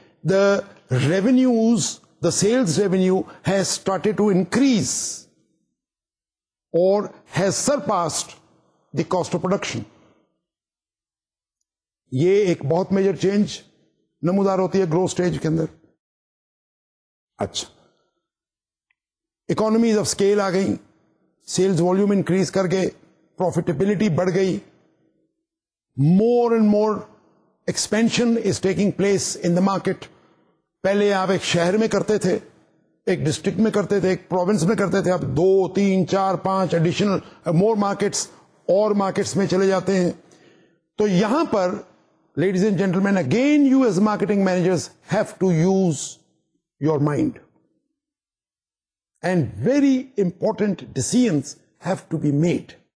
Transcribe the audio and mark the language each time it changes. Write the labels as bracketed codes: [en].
[en] The revenues, the sales revenue has started to increase اور has surpassed the cost of production. [ur] یہ ایک بہت major change نمودار ہوتی ہے گروتھ اسٹیج کے اندر. اچھا, اکانومیز آف اسکیل آ گئی, سیلز والیوم انکریز کر کے پروفیٹیبلٹی بڑھ گئی, [en] More and more expansion is taking place in the market. [ur] پہلے آپ ایک شہر میں کرتے تھے, ایک ڈسٹرکٹ میں کرتے تھے, ایک پروونس میں کرتے تھے, اب دو تین چار پانچ ایڈیشنل مور مارکیٹس اور مارکیٹس میں چلے جاتے ہیں. تو یہاں پر [en] Ladies and gentlemen, again you as marketing managers have to use your mind and very important decisions have to be made.